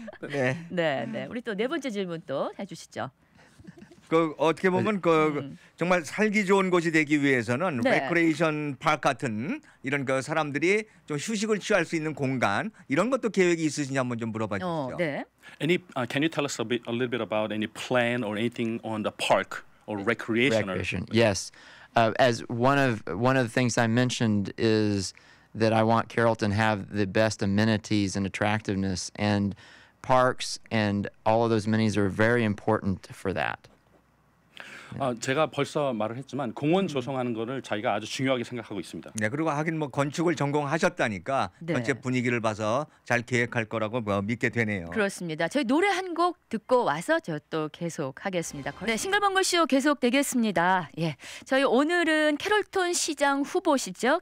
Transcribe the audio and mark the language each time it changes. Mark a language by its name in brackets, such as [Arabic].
[Korean] 네. 네, 네. 우리 또 네 번째 질문 또 해주시죠. 그 어떻게 보면 그 정말 살기 좋은 곳이 되기 위해서는 네. 레크레이션 파크 같은 이런 그 사람들이 좀 휴식을 취할 수 있는 공간 이런 것도 계획이 있으신지 한번 좀 물어봐 주시죠. 네. [English] Any can you tell us a little bit about any plan or anything on the park or recreation? Yes. As one of the things I mentioned is that I want Carrollton to have the best amenities and attractiveness, and parks and all of those amenities are very important for that. [Korean] 아, 제가 벌써 말을 했지만 공원 조성하는 거를 자기가 아주 중요하게 생각하고 있습니다. 네, 그리고 하긴 뭐 건축을 전공하셨다니까 네. 전체 분위기를 봐서 잘 계획할 거라고 뭐 믿게 되네요. 그렇습니다. 저희 노래 한 곡 듣고 와서 저 또 계속하겠습니다. 네, 싱글벙글 쇼 계속되겠습니다. 예, 저희 오늘은 캐롤톤 시장 후보시죠.